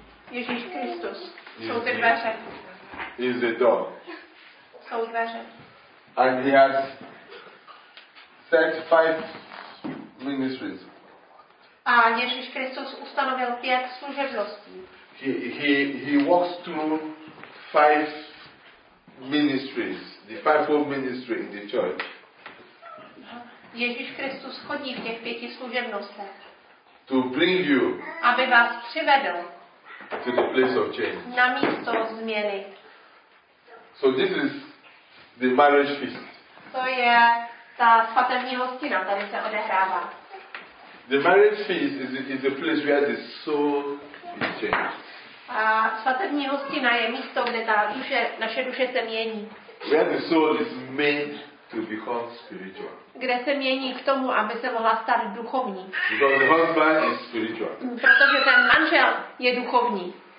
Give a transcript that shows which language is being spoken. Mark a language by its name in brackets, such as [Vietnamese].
[Czech] Ježíš Kristus. Jsou ty dveře. [English] Is the door. And he has set 5 ministries. [Czech] A Ježíš Kristus ustanovil 5 služebností. [English] He walks through 5 ministries, the 5-fold ministry in the church. [Czech] Ježíš Kristus chodí v těch 5 služebnostech. [English] To bring you. [Czech] Aby vás přivedl. [English] To the place of change. [Czech] Na místo změny. [English] So this is the marriage feast. [Czech] To je ta svatební hostina, tady se odehrává. [English] The marriage feast is the place where the soul is changed. [Czech] A svatební hostina je místo, kde ta duše, naše duše se mění. [English] Where the soul is made to become spiritual. [Czech] Kde se mění k tomu, aby se mohla stát duchovní. [English] Because the husband is spiritual. [Czech] Protože ten manžel je duchovní.